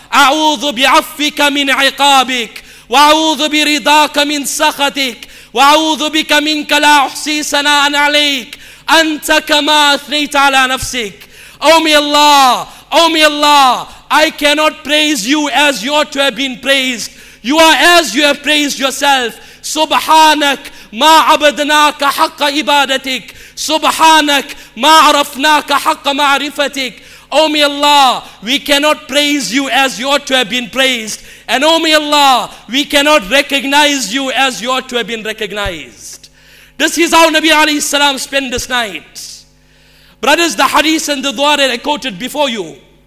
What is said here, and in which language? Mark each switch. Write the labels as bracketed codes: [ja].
[ar] أعوذ بعفوك من عقابك وأعوذ برضاك من سخطك وأعوذ بك منك لا أحصي ثناء عليك أنت كما أثنيت على نفسك. [en] Oh my Allah, oh my Allah, I cannot praise you as you ought to have been praised. You are as you have praised yourself. [ar] سبحانك ما عبدناك حق عبادتك سبحانك ما عرفناك حق معرفتك. [en] Oh my Allah, we cannot praise you as you ought to have been praised. And oh my Allah, we cannot recognize you as you ought to have been recognized. This is how Nabi alayhi salam spent this night. Brothers, the hadith and the dua that I quoted before you.